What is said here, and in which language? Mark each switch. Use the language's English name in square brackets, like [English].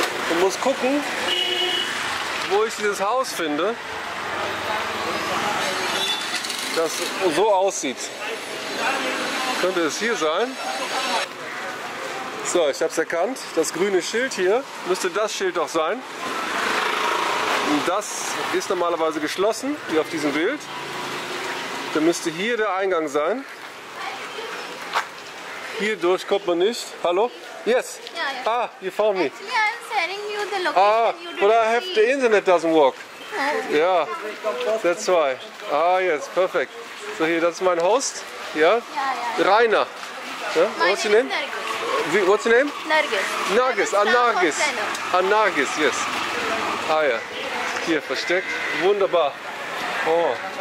[German] Und muss gucken, wo ich dieses Haus finde, das so aussieht. Könnte es hier sein? So, ich habe es erkannt. Das grüne Schild hier müsste das Schild doch sein. Und das ist normalerweise geschlossen, wie auf diesem Bild. Dann müsste hier der Eingang sein. Hier durch kommt man nicht. Hallo? [English] Yes? Yeah, yeah. Ah, you found me. Actually, I'm sending you the location. Ah, you didn't but I have see. The internet doesn't work. Yeah, that's why. Ah, yes, perfect. [German] So, hier, das ist mein Host. Ja? Ja, ja. Rainer. Ja? [English] What's your name? What's your name? Nargis. [German] Nargis, Anargis. Anargis, yes. Ah ja. Hier versteckt. Wunderbar. Oh.